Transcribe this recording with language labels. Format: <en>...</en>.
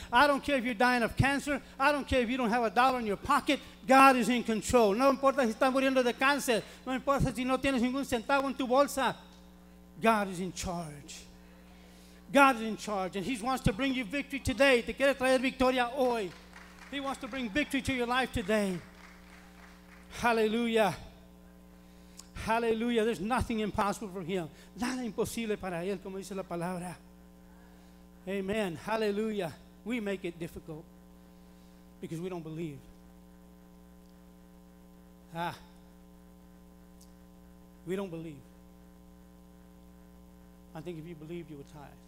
<en>I don't care if you're dying of cancer. I don't care if you don't have a dollar in your pocket. God is in control.</en> <es>No importa si estás muriendo de cáncer. No importa si no tienes ningún centavo en tu bolsa.</es> <en>God is in charge. God is in charge. And he wants to bring you victory today.</en> <es>Te quiere traer victoria hoy.</es> <en>He wants to bring victory to your life today. Hallelujah. Hallelujah. There's nothing impossible for him.</en> <es>Nada imposible para él, como dice la palabra.</es> <en>Amen. Hallelujah. We make it difficult because we don't believe. Ah, we don't believe. I think if you believe, you would tithe.</en>